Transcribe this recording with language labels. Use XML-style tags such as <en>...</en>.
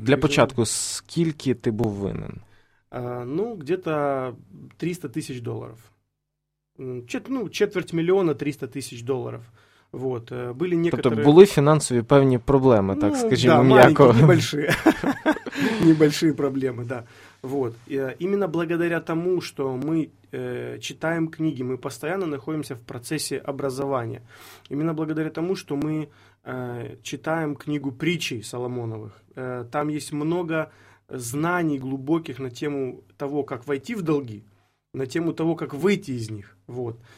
<uk>Для початку, скільки ти був винен?</uk> <ru>Где-то 300 тысяч долларов. Четверть миллиона 300 тысяч долларов. Вот. Были некоторые...</ru> <uk>Тобто були фінансові певні проблеми, так скажімо,</uk> <ru>да,</ru> <uk>м'яко.</uk> <ru>Небольшие проблемы, да. Вот. Именно благодаря тому, что мы читаем книги, мы постоянно находимся в процессе образования. Именно благодаря тому, что мы читаем книгу притчей Соломоновых, там есть много знаний глубоких на тему того, как войти в долги, на тему того, как выйти из них. Вот.</ru>